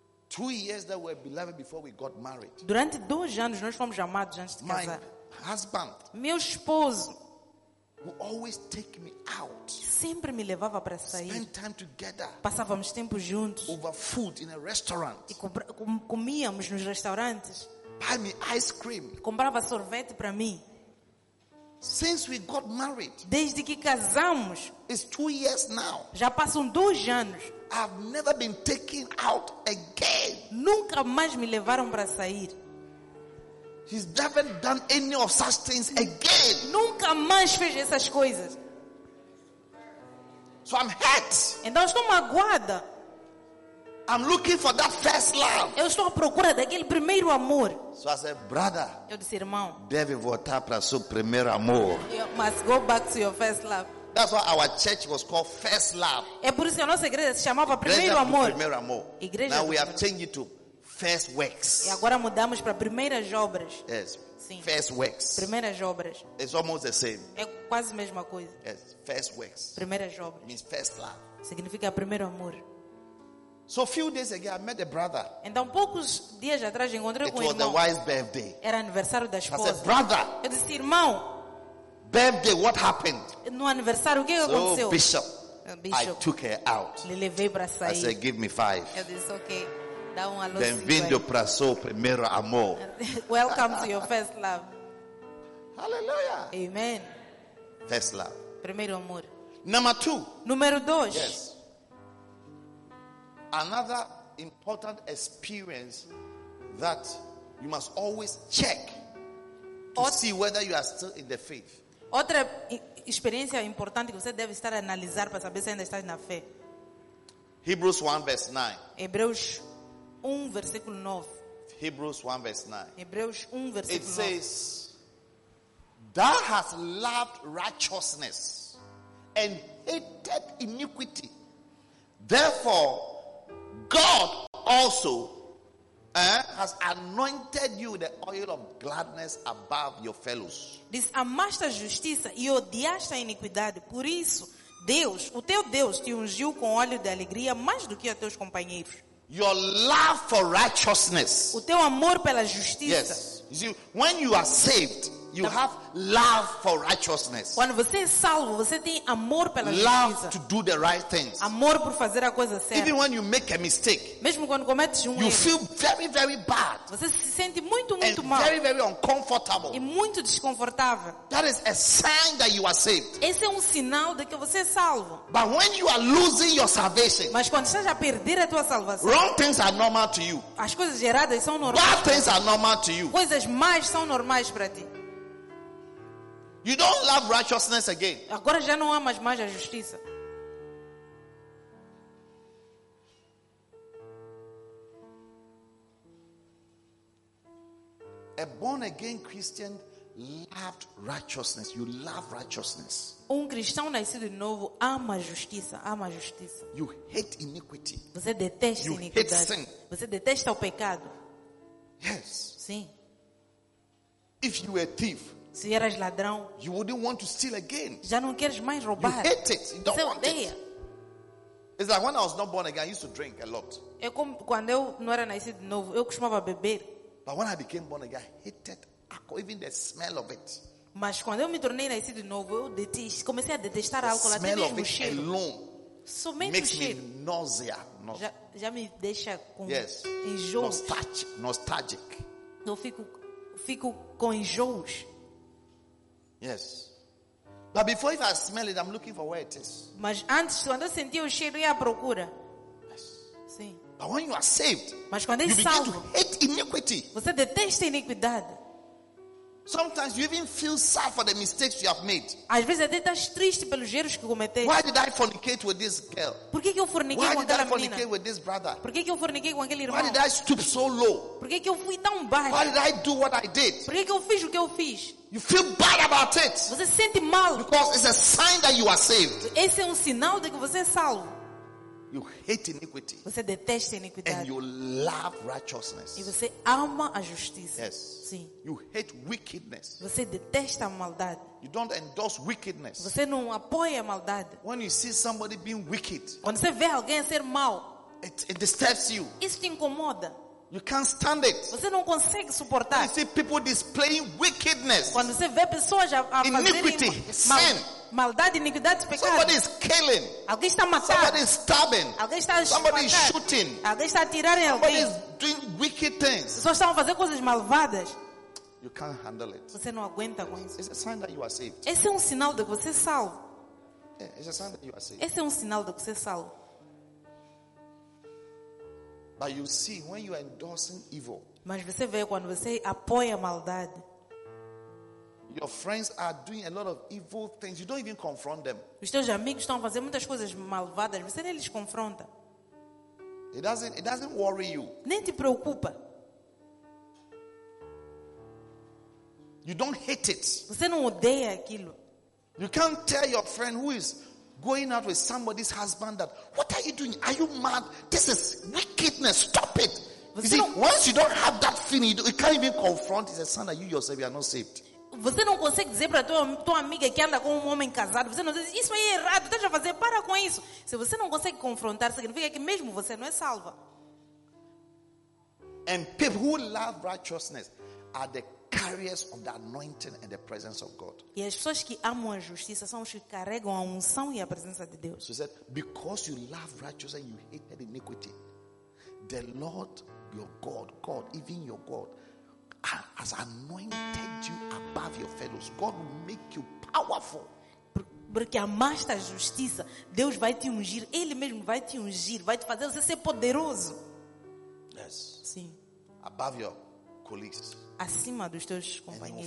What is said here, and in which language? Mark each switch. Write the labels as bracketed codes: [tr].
[en] 2 years that we were beloved before we got married. [pt] Durante 2 anos nós fomos amados antes de casar. [en] My husband. [pt] Meu esposo. [en] Would always take me out. [pt] Sempre me levava para sair. [en] Spend time together. [pt] Passávamos tempo juntos. [en] Over food in a restaurant. [pt] E comíamos nos restaurantes. [en] Buy me ice cream. [pt] Comprava sorvete para mim. [en] Since we got married, [pt] desde que casamos, [en] it's 2 years now. [pt] Já passam 2 anos. [en] I've never been taken out again. [pt] Nunca mais me levaram para sair. [en] He's never done any of such things again. [pt] Nunca mais fez essas coisas. [en] So I'm hurt. [pt] Então estou magoada. [en] I'm looking for that first love. [pt] Eu estou à procura daquele primeiro amor. [en] So I said, brother. [pt] Eu disse, irmão. Deve voltar para seu primeiro amor. [en] You must go back to your first love. That's why our church was called First Love. [pt] É por isso que a nossa igreja se chamava Primeiro Amor. Primeiro Amor. Igreja. [en] Now we have changed it to First Works. [pt] E agora mudamos para Primeiras Obras. [en] Yes. [pt] Sim. [en] First Works. [pt] Primeiras Obras. [en] It's almost the same. [pt] É quase a mesma coisa. [en] Yes. First Works. [pt] Primeiras Obras. [en] Means First Love. [pt] Significa Primeiro Amor. [en] So few days ago, I met a brother. [pt] Então poucos dias atrás encontrei com um irmão. [en] It was the wife's birthday. [pt] Era aniversário da esposa. [en] I said, brother. [pt] Eu disse, irmão. [en] Birthday, what happened? [pt] No aniversário, o que aconteceu? [en] So, Bishop. Bishop. I took her out. [pt] Le levei para sair. [en] I said, give me 5. [pt] Eu disse, okay. Dá um alô. Bem-vindo para seu primeiro amor. [en] Welcome to your first love. Hallelujah. Amen. First love. [pt] Primeiro amor. [en] Number 2. [pt] Número 2. [en] Yes. Another important experience that you must always check to see whether you are still in the faith. [pt] Outra experiência importante que você deve estar a analisar para saber se ainda está na fé. [en] Hebrews 1 verse 9. [pt] Hebreus 1 versículo 9. [en] Hebrews 1 verse 9. [pt] Hebreus 1 versículo 9. [en] It says, "Thou hast loved righteousness and hated iniquity." Therefore, God also has anointed you the oil of gladness above your fellows. [pt] Diz, amaste a justiça e odiaste a iniquidade. Por isso, Deus, o teu Deus, te ungiu com óleo de alegria mais do que a teus companheiros. [en] Your love for righteousness. [pt] O teu amor pela justiça. [en] Yes. You see, when you are saved, you have love for righteousness. [pt] Quando você é salvo, você tem amor pela justiça. [en] Love to do the right things. [pt] Amor por fazer a coisa certa. [en] Even when you make a mistake. [pt] Mesmo quando cometes um erro. [en] You feel very, very bad. [pt] Você se sente muito, muito [en] and [pt] mal. [en] Very, very uncomfortable. [pt] E muito desconfortável. [en] That is a sign that you are saved. [pt] Esse é um sinal de que você é salvo. [en] But when you are losing your salvation. [pt] Mas quando estás a perder a tua salvação. [en] Wrong things are normal to you. [pt] As coisas erradas são normais. [en] Bad things are normal to you. [pt] Coisas más são normais para ti. [en] You don't love righteousness again. [pt] Agora já não amas mais a justiça. [en] A born again Christian loved righteousness. You love righteousness. [pt] Um cristão nascido de novo ama justiça, ama justiça. [en] You hate iniquity. [pt] Você detesta iniquidade. Você detesta o pecado. [en] Yes. [pt] Sim. [en] If you were a thief, [pt] se eras ladrão, [en] you wouldn't want to steal again. [pt] Já não queres mais roubar. [en] You hate it. You don't want [pt] odeia. [en] It. It's like when I was not born again, I used to drink a lot. [pt] É como quando eu não era nascido de novo, eu costumava beber. [en] But when I became born again, I hated even the smell of it. [pt] Mas quando eu me tornei nascido de novo, eu comecei a detestar álcool, até mesmo o cheiro. [en] Alone [pt] somente [en] makes [pt] o cheiro. [en] Me nausea. [pt] Já me deixa com [en] yes. [pt] enjoos. [en] Nostalgic. [pt] Eu fico com enjoos. [en] Yes. But before if I smell it, I'm looking for where it is. [pt] Mas antes, quando eu sentia o cheiro, ia à procura. [en] Yes. [pt] Sim. [en] But when you are saved, [pt] mas quando é [en] you [pt] salvo, [en] begin to hate iniquity. [pt] Você detesta iniquidade. [en] Sometimes you even feel sad for the mistakes you have made. [pt] Às vezes até estás triste pelos erros que cometeste. [en] Why did I fornicate with this girl? [pt] Por que eu forniquei com aquela menina? [en] Why did I fornicate with this brother? [pt] Por que eu forniquei com aquele irmão? [en] Why did I stoop so low? [pt] Por que eu fui tão baixo? [en] Why did I do what I did? [pt] Por que eu fiz o que eu fiz? [en] You feel bad about it. [pt] Você sente mal. [en] Because it's a sign that you are saved. [pt] Esse é um sinal de que você é salvo. [en] You hate iniquity. [pt] Você detesta iniquidade. [en] And you love righteousness. [pt] E você ama a justiça. [en] Yes. [pt] Sim. [en] You hate wickedness. [pt] Você detesta a maldade. [en] You don't endorse wickedness. [pt] Você não apoia a maldade. [en] When you see somebody being wicked, [pt] quando você vê alguém ser mal, [en] it disturbs you. [pt] Isso te incomoda. [en] You can't stand it. [pt] Você não consegue suportar. [en] When you see people displaying wickedness. [pt] Quando você vê pessoas a fazerem [en] iniquity, sin. [pt] Maldade, iniquidade, pecado. [en] Somebody is killing. [pt] Alguém está matando. [en] Somebody is stabbing. [pt] Alguém está [en] somebody is shooting. [pt] Alguém está atirando em [en] somebody [pt] alguém. [en] Is doing wicked things. [pt] Só estão a fazer coisas malvadas. [en] You can't handle it. [pt] Você não aguenta com isso. [en] It's a sign that you are saved. [pt] Esse é um sinal de que você é salvo. [en] It's a sign that you are saved. [pt] Esse é um sinal de que você é salvo. [en] But you see, when you are endorsing evil, [pt] mas você vê quando você apoia a maldade. [en] Your friends are doing a lot of evil things. You don't even confront them. [pt] Os teus amigos estão fazendo muitas coisas malvadas. Você nem lhes confronta. [en] It doesn't worry you. [pt] Nem te preocupa. [en] You don't hate it. [pt] Você não odeia aquilo. [en] You can't tell your friend who is going out with somebody's husband that what are you doing? Are you mad? This is wickedness. Stop it. [pt] Você [en] you see, [pt] não... [en] once you don't have that feeling, you can't even confront. It's a sign that you yourself you are not saved. [pt] Você não consegue dizer para a tua amiga que anda com um homem casado. Você não diz, isso aí é errado, deixa eu fazer, para com isso. Se você não consegue confrontar, significa que mesmo você não é salva. [en] And people who love righteousness are the carriers of the anointing and the presence of God. [pt] E as pessoas que amam a justiça são os que carregam a unção e a presença de Deus. [en] So he said, because you love righteousness and you hate iniquity, the Lord, your God, even your God, has anointed you above your fellows. God will make you powerful. [pt] Porque amaste a justiça, Deus vai te ungir. Ele mesmo vai te ungir, vai te fazer você ser poderoso. [en] Yes. [pt] Sim. [en] Above your colleagues. [pt] Acima dos teus companheiros.